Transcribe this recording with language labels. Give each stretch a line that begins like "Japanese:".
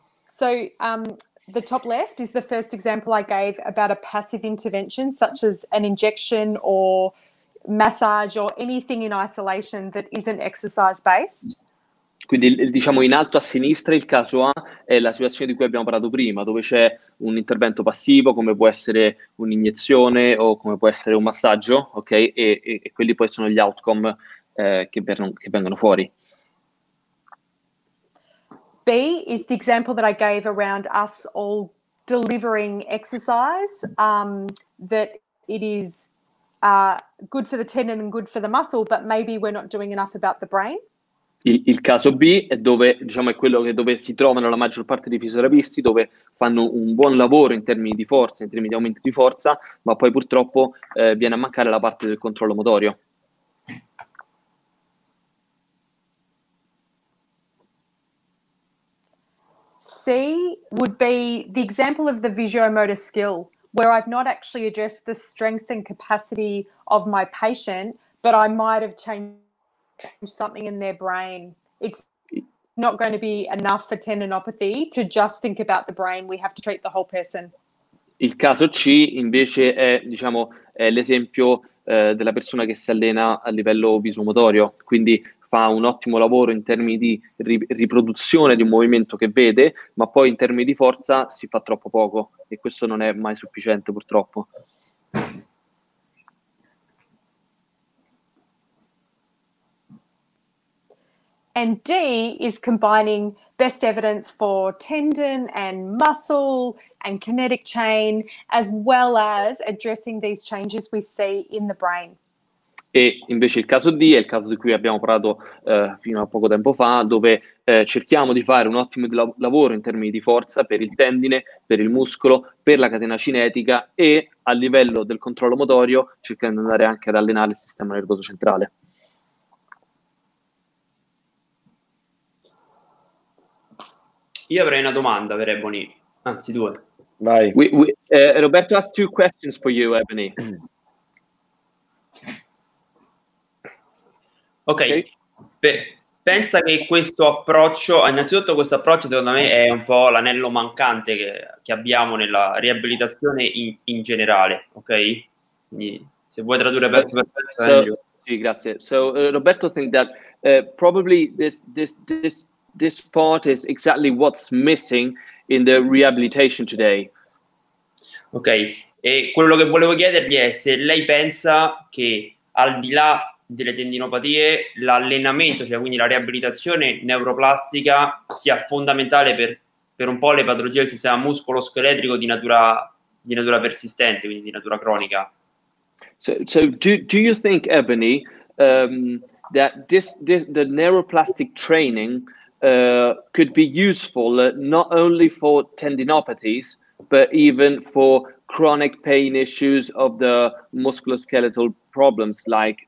English: So the top left is the first example I gave about a passive intervention, such as an injection or massage or anything in isolation that isn't exercise based.
Italian: Quindi, diciamo, in alto a sinistra il caso A è la situazione di cui abbiamo parlato prima, dove c'è un intervento passivo, come può essere un'iniezione o come può essere un massaggio, ok? E quelli poi sono gli outcome che vengono fuori.
English: B is the example that I gave around us all delivering exercise, that it is good for the tendon and good for the muscle, but maybe we're not doing enough about the brain.
Italian: Il caso B è dove, diciamo, è quello che dove si trovano la maggior parte dei fisioterapisti, dove fanno un buon lavoro in termini di forza, in termini di aumento di forza, ma poi purtroppo viene a mancare la parte del controllo motorio.
English: C would be the example of the visuomotor skill, where I've not actually addressed the strength and capacity of my patient, but I might have changed something in their brain. It's not going to be enough for tendinopathy to just think about the brain. We have to treat the whole person.
Italian: Il caso C invece è, diciamo, è l'esempio della persona che si allena a livello visuomotorio, quindi fa un ottimo lavoro in termini di riproduzione di un movimento che vede, ma poi in termini di forza si fa troppo poco e questo non è mai sufficiente, purtroppo.
English: And D is combining best evidence for tendon and muscle and kinetic chain, as well as addressing these changes we see in the brain.
Italian: E invece il caso D è il caso di cui abbiamo parlato fino a poco tempo fa, dove cerchiamo di fare un ottimo lavoro in termini di forza per il tendine, per il muscolo, per la catena cinetica e a livello del controllo motorio, cercando di andare anche ad allenare il sistema nervoso centrale. Io avrei una domanda per Ebony, anzi due. Vai.
English: Roberto has two questions for you, Ebony. Okay.
Italian: Pensa che questo approccio, innanzitutto questo approccio secondo me è un po' l'anello mancante che abbiamo nella riabilitazione in generale, ok? Quindi, se vuoi tradurre perfetto, sì, grazie.
English: So Roberto think that probably this part is exactly what's missing in the rehabilitation today. Okay.
Italian: E quello che volevo chiedergli è se lei pensa che al di là delle tendinopatie l'allenamento, cioè quindi la riabilitazione neuroplastica, sia fondamentale per un po' le patologie del sistema muscolo-scheletrico di natura persistente, quindi di natura cronica.
English: So do you think, Ebony, that this the neuroplastic training could be useful not only for tendinopathies but even for chronic pain issues of the musculoskeletal problems like